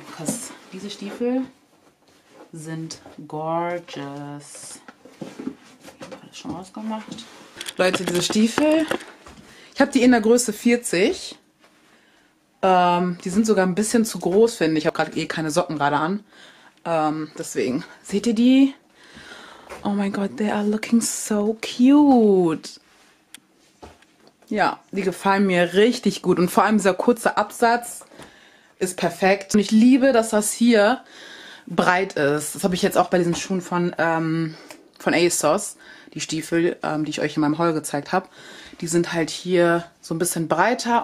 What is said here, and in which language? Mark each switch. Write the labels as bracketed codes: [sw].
[en] Because [de] diese Stiefel sind gorgeous. Ich habe alles schon ausgemacht. Leute, diese Stiefel. Ich habe die in der Größe 40. Die sind sogar ein bisschen zu groß, finde ich. Ich habe gerade eh keine Socken gerade an. Deswegen seht ihr die? Oh mein Gott, [en] they are looking so cute. [de] Ja, die gefallen mir richtig gut. Und vor allem dieser kurze Absatz ist perfekt. Und ich liebe, dass das hier breit ist. Das habe ich jetzt auch bei diesen Schuhen von ASOS. Die Stiefel, die ich euch in meinem Haul gezeigt habe. Die sind halt hier so ein bisschen breiter.